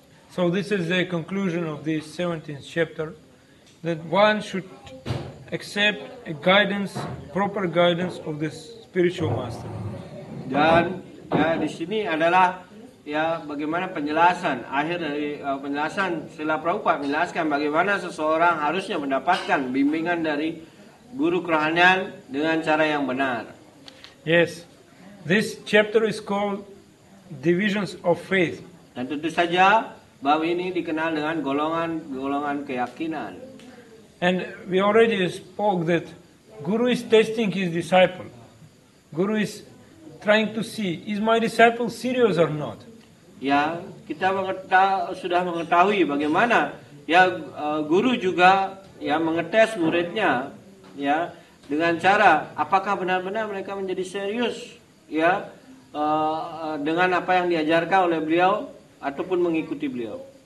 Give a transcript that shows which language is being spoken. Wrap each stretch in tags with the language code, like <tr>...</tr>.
<en>So this is the conclusion of this 17th chapter, that one should accept a guidance, proper guidance of this spiritual master.</en> <id>Dan ya, di sini adalah ya bagaimana penjelasan akhir dari penjelasan Srila Prabhupada menjelaskan bagaimana seseorang harusnya mendapatkan bimbingan dari guru kerohanian dengan cara yang benar.</id> <en>Yes, this chapter is called Divisions of Faith.</en> <id>Dan tentu saja bab ini dikenal dengan golongan-golongan keyakinan.</id> <en>And we already spoke that guru is testing his disciple. Guru is trying to see, is my disciple serious or not?</en> <id>Ya, kita sudah mengetahui bagaimana ya guru juga ya mengetes muridnya ya dengan cara apakah benar-benar mereka menjadi serius ya dengan apa yang diajarkan oleh beliau ataupun mengikuti beliau.</id>